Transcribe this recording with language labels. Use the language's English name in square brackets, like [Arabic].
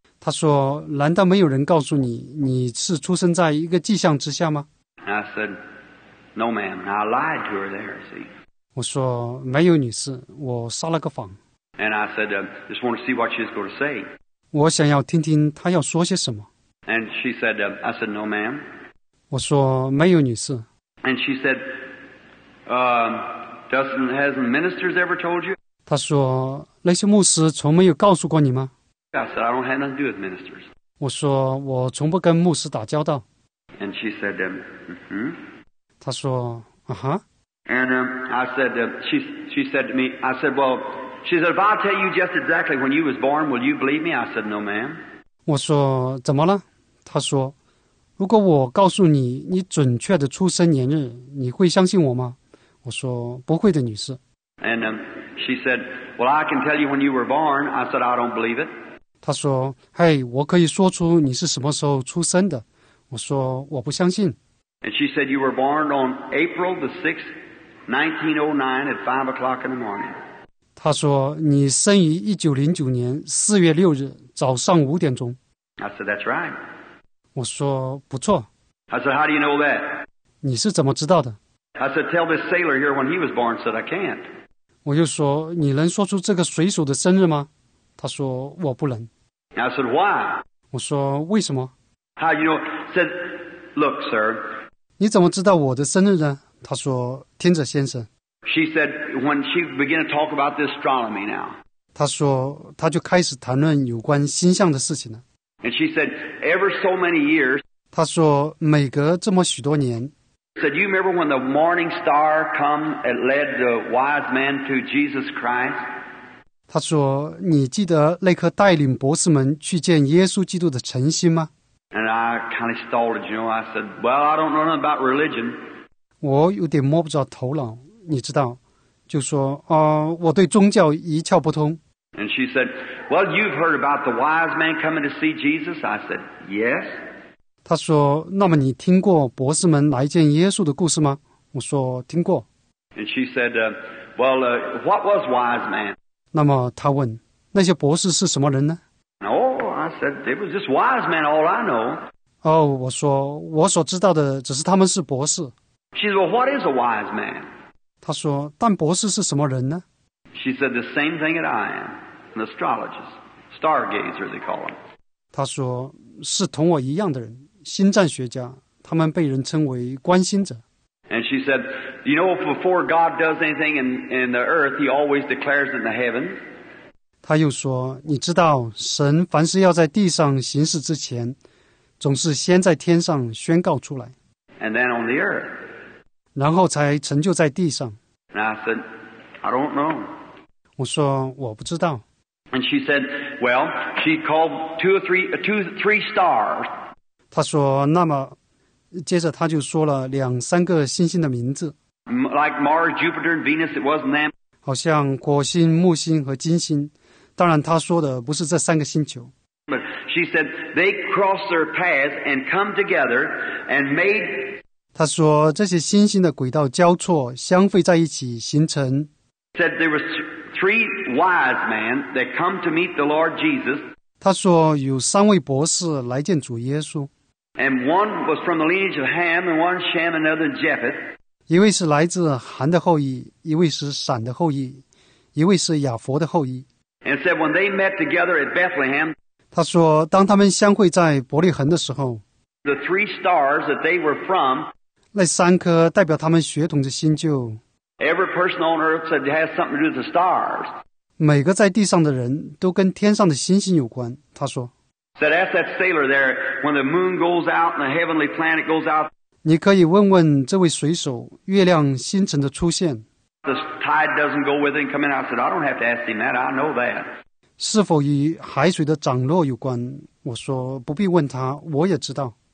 [Chinese] 她说，难道没有人告诉你你是出生在一个迹象之下吗 [English] ？I said, "No, ma'am." I lied to her there. See, [Chinese] 我说没有，女士，我撒了个谎。 [English] And I said, "Just want to see what she's going to say." [Chinese] 我想要听听她要说些什么。 [English] And she said, "I said, no, ma'am." [Chinese] 我说没有，女士。 [English] And she said, "Doesn't hasn't ministers ever told you?" [Chinese] 她说。那些牧师从没有告诉过你吗 [English] I said, I don't have nothing to do with ministers. [Chinese] 我说我从不跟牧师打交道 [English] And she said, mm-hmm. [Chinese] 她说、uh-huh. [English] And I said, she said to me, I said, well, she said, if I tell you just exactly when you was born, will you believe me? I said, no, ma'am. [Chinese] 我说怎么了她说如果我告诉你你准确的出生年日你会相信我吗我说不会的女士 [English] And she said,Well, I can tell you when you were born. I said, I don't believe it. [Chinese] 他说，嘿，我可以说出你是什么时候出生的。我说，我不相信。 [English] And she said, you were born on April the 6th, 1909 at 5 o'clock in the morning. [Chinese] 她说你生于1909年4月6日早上5点钟。 [English] I said, that's right. [Chinese] 我说不错。 [English] I said, how do you know that? [Chinese] 你是怎么知道的? [English] I said, tell this sailor here when he was born. I said, I can't. [Chinese] 我又说你能说出这个水手的生日吗? 她说我不能。 [English] I said, why? [Chinese] 我说为什么? [English] How do you know? I said, look, sir. [Chinese] 你怎么知道我的生日呢? 她说听着先生。 [English] She said, when she began to talk about the astronomy now. [Chinese] 她说她就开始谈论有关星象的事情了。 [English] And she said, ever so many years. [Chinese] 她说每隔这么许多年。 [English] Said, you remember when the morning star come and led the wise man to Jesus Christ? [Chinese] 她说你记得那颗带领博士们去见耶稣基督的晨星吗? [English] And I kind of stalled, you know, I said, well, I don't know nothing about religion. [Chinese] 我有点摸不着头脑。你知道，就说啊、我对宗教一窍不通。 [English] And she said, "Well, you've heard about the wise man coming to see Jesus." I said, "Yes." [Chinese] 她说，那么你听过博士们来见耶稣的故事吗？我说听过。 [English] And she said, "Well, what was wise man?" [Chinese] 那么她问，那些博士是什么人呢 [English] ？Oh, I said, "It was just wise man, all I know." [Chinese] 哦，我说我所知道的只是他们是博士。 [English] She said, "Well, what is a wise man?" [Chinese] 他说但博士是什么人呢 [English] She said the same thing that I am, an astrologist, stargazer they call him. [Chinese] 他说是同我一样的人星占学家他们被人称为观星者。 [English] And she said, you know, before God does anything in the earth, he always declares in the heavens. [Chinese] 他又说你知道神凡是要在地上行事之前总是先在天上宣告出来。 [English] And then on the earth. [Chinese] 然后才成就在地上。 [English] And I said, I don't know. [Chinese] 我说我不知道。 [English] And she said, well, she called two or three stars. [Chinese] 她说那么，接着她就说了两三个星星的名字。 [English] Like Mars, Jupiter, and Venus, it wasn't them. [Chinese] 好像火星、木星和金星，当然她说的不是这三个星球。 [English] But she said they crossed their paths and come together and made. [Chinese] 他说这些星星的轨道交错相会在一起形成 [English] said there was three wise men that come to meet the Lord Jesus [Chinese] 他说有三位博士来见主耶稣 [English] and one was from the lineage of Ham and one Shem and another Japheth [Chinese] 一位是来自韩的后裔一位是闪的后裔一位是亚佛的后裔 [English] and said when they met together at Bethlehem [Chinese] 他说当他们相会在伯利恒的时候 [English] The three stars that they were from, [Chinese] 那三颗代表他们血统的星就 [English] Every person on earth said it has something to do with the stars. [Chinese] 每个在地上的人都跟天上的星星有关他说 [English] said, ask that sailor there, when the moon goes out and the heavenly planet goes out, [Chinese] 你可以问问这位水手月亮星辰的出现 [English] the tide doesn't go with it and come in. I said, I don't have to ask him that, I know that. [Chinese] 是否与海水的涨落有关我说不必问他我也知道。